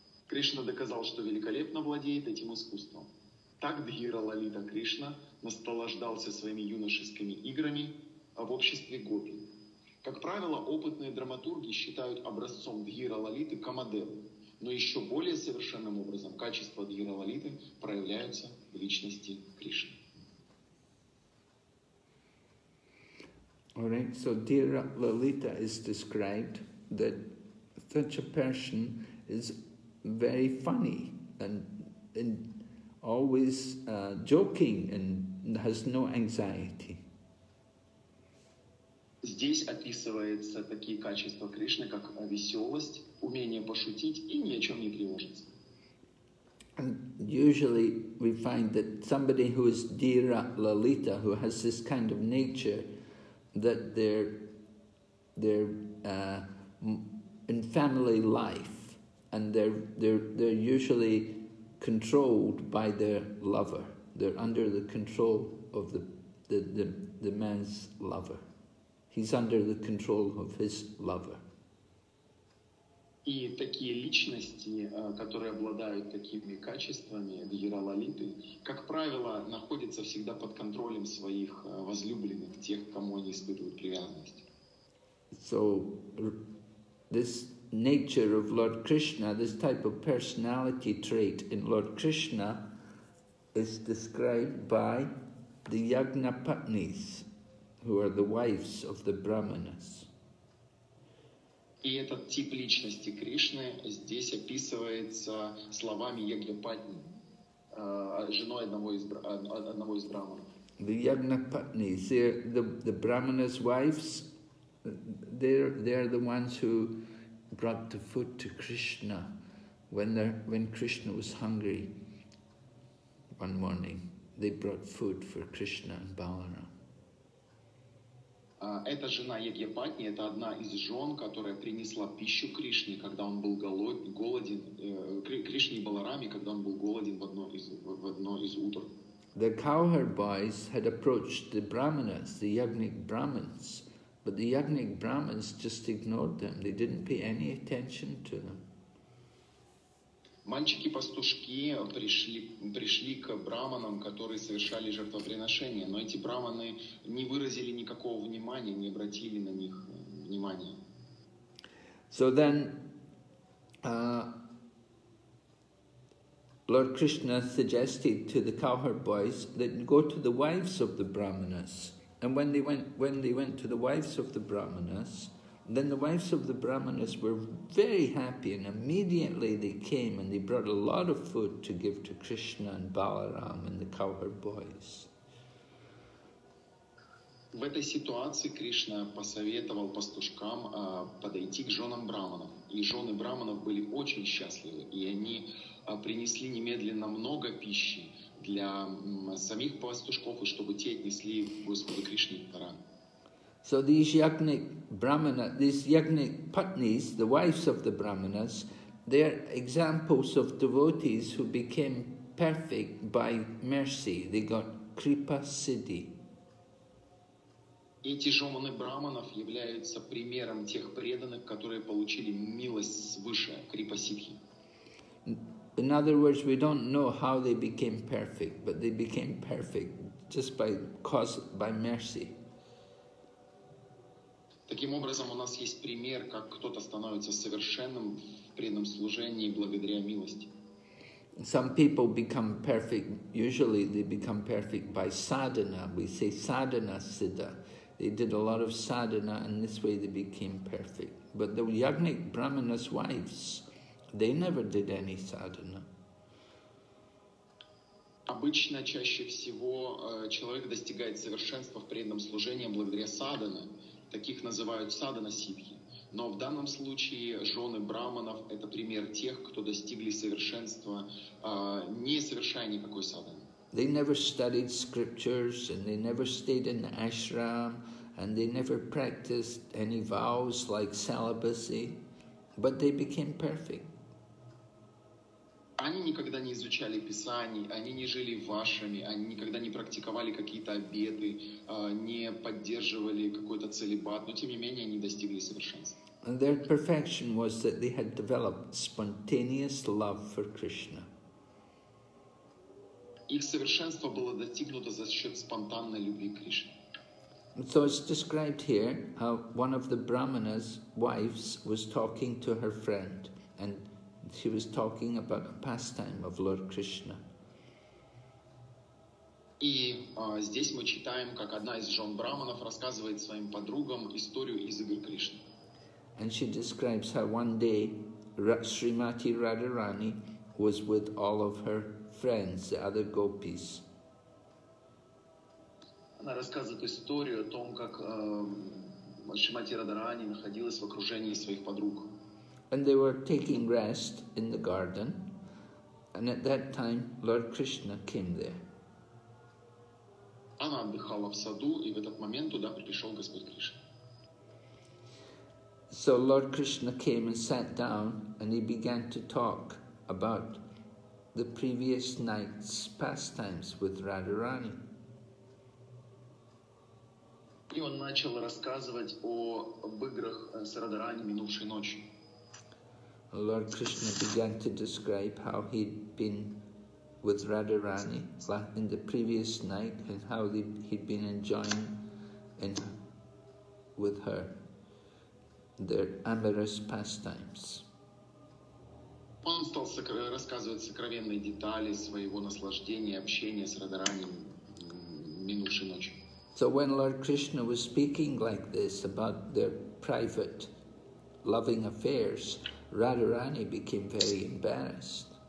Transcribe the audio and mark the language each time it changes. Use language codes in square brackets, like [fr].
[ru] Кришна доказал, что великолепно владеет этим искусством. Так Дхира Лалита Кришна наслаждался своими юношескими играми в обществе гопи. Как правило, опытные драматурги считают образцом Дхира Лалиты Камадеву, но еще более совершенным образом качества Дхира Лалиты проявляются в личности Кришны. [en] All right, so Dhira Lalita is described that such a person is very funny and always joking and has no anxiety. [ru] Здесь описывается такие качества Кришны, как веселость, умение пошутить и ни о чем не тревожиться. [en] And usually we find that somebody who is Dhira Lalita, who has this kind of nature, that they're in family life and they're usually controlled by their lover. they're under the control of the man's lover. He's under the control of his lover. [ru] И такие личности, которые обладают такими качествами, гералолиты, как правило, находятся всегда под контролем своих возлюбленных, тех, кому они испытывают привязанность. [en] So this nature of Lord Krishna, this type of personality trait in Lord Krishna is described by the Yajnapatnis, who are the wives of the Brahmanas. [ru] И этот тип личности Кришны здесь описывается словами Ягнапатни, женой одного из Брахманов. [en] The Yajnapatnis, the Brahmanas' wives, they're the ones who brought the food to Krishna when Krishna was hungry. One morning, they brought food for Krishna and Balaram. [ru] Эта жена Ягьяпатни, это одна из жен, которая принесла пищу Кришне, когда он был голоден, Кришне и Баларами, когда он был голоден в одно из утр. [en] The cowherd boys had approached the brahmanas, the yajnik brahmins, but the yajnik brahmins just ignored them. They didn't pay any attention to them. [ru] Мальчики-пастушки пришли к браманам, которые совершали жертвоприношения, но эти браманы не выразили никакого внимания, не обратили на них внимания. [en] So then, Lord Krishna suggested to the cowherd boys that go to the wives of the brahmanas. And when they went to the wives of the brahmanas, then the wives of the brahmanas were very happy, and immediately they came and they brought a lot of food to give to Krishna and Balaram and the cowherd boys. [ru] В этой ситуации Кришна посоветовал пастушкам подойти к женам браманов, и жены браманов были очень счастливы, и они принесли немедленно много пищи для самих пастушков, и чтобы те отнесли Господу Кришне подарок. [en] So these yajnik brahmana, these yajnik patnis, the wives of the brahmanas, they are examples of devotees who became perfect by mercy. They got kripa siddhi. [ru] Эти жены браманов являются примером тех преданных, которые получили милость свыше, kripa siddhi. [en] In other words, we don't know how they became perfect, but they became perfect just by mercy. [ru] Таким образом, у нас есть пример, как кто-то становится совершенным в преданном служении благодаря милости. [en] Some people become perfect, usually they become perfect by sadhana. We say sadhana siddha. They did a lot of sadhana and this way they became perfect. But the yajnik brahmanas' wives, they never did any sadhana. [ru] Обычно, чаще всего, человек достигает совершенства в преданном служении благодаря садхане. Таких называют садхана-сиддхи. Но в данном случае жены браманов – это пример тех, кто достигли совершенства, не совершая никакой садханы. [en] They never studied scriptures, and they never stayed in the ashram, and they never practiced any vows like celibacy, but they became perfect. [ru] Они никогда не изучали Писаний, они не жили вашами, они никогда не практиковали какие-то обеты, не поддерживали какой-то целибат, но тем не менее они достигли совершенства. [en] And their perfection was that they had developed spontaneous love for Krishna. [ru] Их совершенство было достигнуто за счет спонтанной любви к Кришне. [en] So it's described here how one of the brahmanas' wives was talking to her friend and she was talking about a pastime of Lord Krishna. [ru] И здесь мы читаем, как одна из жен браманов рассказывает своим подругам историю из игр Кришны. [en] And she describes how one day Srimati Radharani was with all of her friends, the other gopis. [ru] Она рассказывает историю о том, как Шримати Радарани находилась в окружении своих подруг. [en] And they were taking rest in the garden, and at that time Lord Krishna came there. [ru] Она отдыхала в саду, и в этот момент туда пришел Господь Кришна. [en] So Lord Krishna came and sat down, and he began to talk about the previous night's pastimes with Radharani. [ru] И он начал рассказывать о играх с Радхарани минувшей ночью. [en] Lord Krishna began to describe how he'd been with Radharani in the previous night and how he'd been enjoying in with her their amorous pastimes. [ru] Он стал рассказывать сокровенные детали своего наслаждения общения с Радхарани минувшей ночью. [en] So when Lord Krishna was speaking like this about their private loving affairs, Radharani became very embarrassed.